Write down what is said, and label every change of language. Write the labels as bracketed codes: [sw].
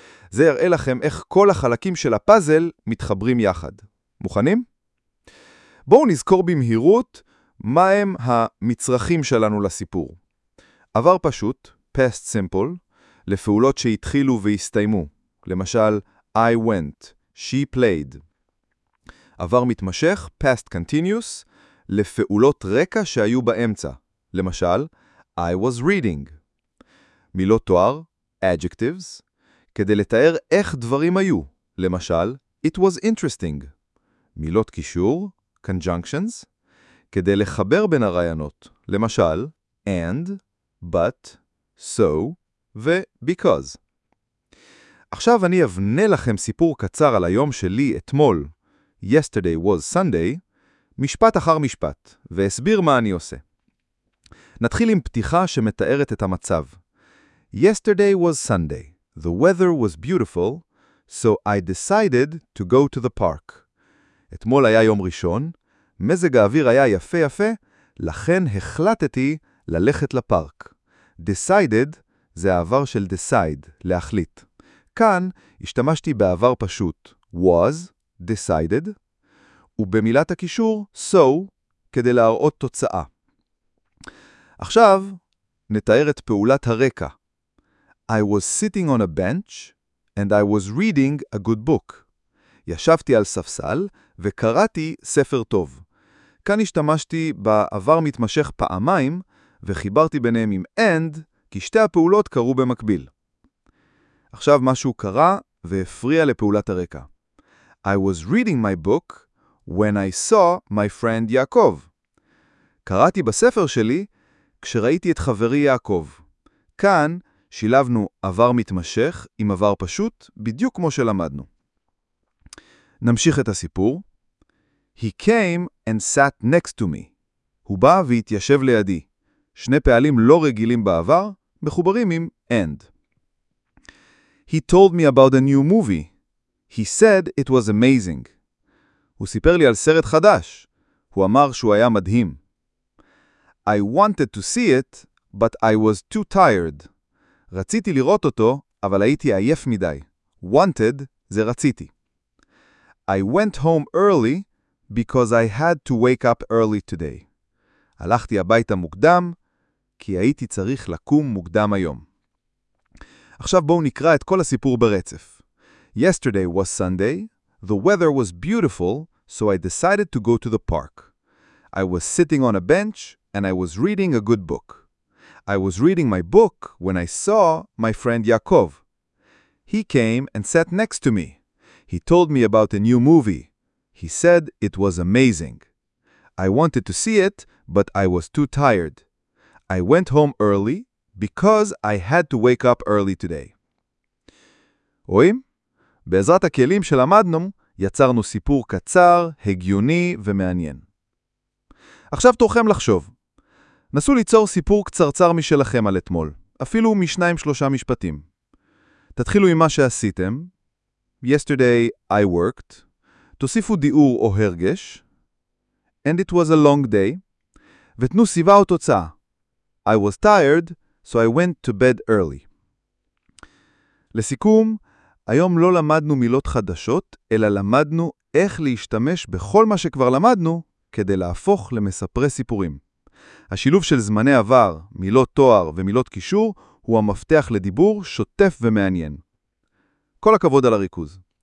[he] זה יראה לכם איך כל החלקים של הפאזל מתחברים יחד. מוכנים? בואו נזכור במהירות מה הם המצרכים שלנו לסיפור. עבר פשוט, past simple, לפעולות שהתחילו והסתיימו. [en] למשל, I went, she played. [he] עבר מתמשך, past continuous, לפעולות רקע שהיו באמצע. [en] למשל, I was reading. [he] מילות תואר, adjectives, כדי לתאר איך דברים היו. [en] למשל, it was interesting. [he] מילות קישור, conjunctions, כדי לחבר בין הרעיונות. [en] למשל, and, but, so, ו-because. [he] עכשיו אני אבנה לכם סיפור קצר על היום שלי אתמול, [en] yesterday was Sunday, [he] משפט אחר משפט, והסביר מה אני עושה. נתחיל עם פתיחה שמתארת את המצב. [en] Yesterday was Sunday. The weather was beautiful, so I decided to go to the park. [he] אתמול היה יום ראשון, מזג האוויר היה יפה יפה, לכן החלטתי ללכת לפארק. Decided זה העבר של decide, להחליט. כאן השתמשתי בעבר פשוט, was, decided, ובמילת הקישור, so, כדי להראות תוצאה. עכשיו נתאר את פעולת הרקע. [en] I was sitting on a bench and I was reading a good book. [he] ישבתי על ספסל וקראתי ספר טוב. כאן השתמשתי בעבר מתמשך פעמיים, וחיברתי ביניהם עם end, כי שתי הפעולות קרו במקביל. עכשיו משהו קרה והפריע לפעולת הרקע. [en] I was reading my book when I saw my friend יעקב. [he] קראתי בספר שלי כשראיתי את חברי יעקב. כאן שילבנו עבר מתמשך עם עבר פשוט, בדיוק כמו שלמדנו. נמשיך את הסיפור. [en] He came and sat next to me. [he] הוא בא והתיישב לידי. שני פעלים לא רגילים בעבר, מחוברים עם end. [en] He told me about a new movie. He said it was amazing. [he] הוא סיפר לי על סרט חדש. הוא אמר שהוא היה מדהים. [en] I wanted to see it, but I was too tired. [he] רציתי לראות אותו, אבל הייתי עייף מדי. Wanted זה רציתי. [en] I went home early because I had to wake up early today. [he] הלכתי הביתה מוקדם, כי הייתי צריך לקום מוקדם היום. עכשיו בואו נקרא את כל הסיפור ברצף. [en] Yesterday was Sunday. The weather was beautiful, so I decided to go to the park. I was sitting on a bench, and I was reading a good book. I was reading my book when I saw my friend Yaakov. He came and sat next to me. He told me about a new movie. He said it was amazing. I wanted to see it, but I was too tired. I went home early because I had to wake up early today. [he] רואים? בעזרת הכלים שלמדנו, יצרנו סיפור קצר, הגיוני ומעניין. עכשיו תורכם לחשוב. נסו ליצור סיפור קצרצר משלכם על אתמול, אפילו משניים שלושה משפטים. תתחילו עם מה שעשיתם. [en] Yesterday I worked. [he] תוסיפו דיאור או הרגש. [en] And it was a long day. [he] ותנו סיבה או תוצאה. [en] I was tired, so I went to bed early. [he] לסיכום, היום לא למדנו מילות חדשות, אלא למדנו איך להשתמש בכל מה שכבר למדנו כדי להפוך למספרי סיפורים. השילוב של זמני עבר, מילות תואר ומילות קישור הוא המפתח לדיבור שוטף ומעניין. כל הכבוד על הריכוז.